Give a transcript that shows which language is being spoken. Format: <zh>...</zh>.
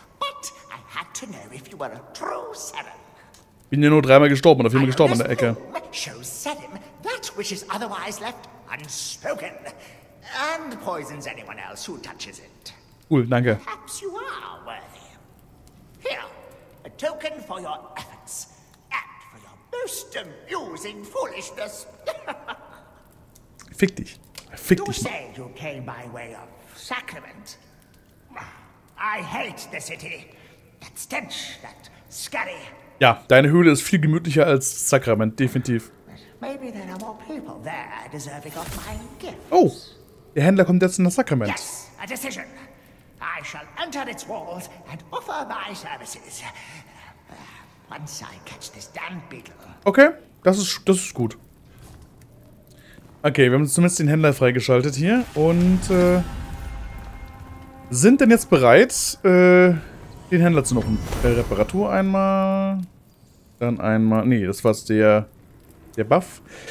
<en>But I had to know if you were a true Seren.</en> <de>Bin ja nur dreimal gestorben oder viermal gestorben in der Ecke.</de> <en>Shows Seren that which is otherwise left unspoken. And poisons anyone else who touches it.</en> <de>Cool, danke.</de> <en>Perhaps you are worthy. Here, a token for your efforts. And for your most amusing foolishness.</en> <de>Fick dich. Fick</de> <en>you</en> <de>dich.</de> <en>Say you came by way of sacrament. I hate the city. That stench, that scurry.</en> <de>Ja, deine Höhle ist viel gemütlicher als Sacrament, definitiv.</de> <en>Maybe there are more people there deserving of my gifts.</en> <de>Oh, der Händler kommt jetzt in das Sacrament.</de> <en>Yes, a decision. I shall enter its walls and offer my services. Once I catch this damn beetle.</en> <de>Okay, das ist gut. Okay, wir haben zumindest den Händler freigeschaltet hier und sind denn jetzt bereit, den Händler zu machen. Reparatur einmal, dann einmal, nee, das war's, der Buff.</de>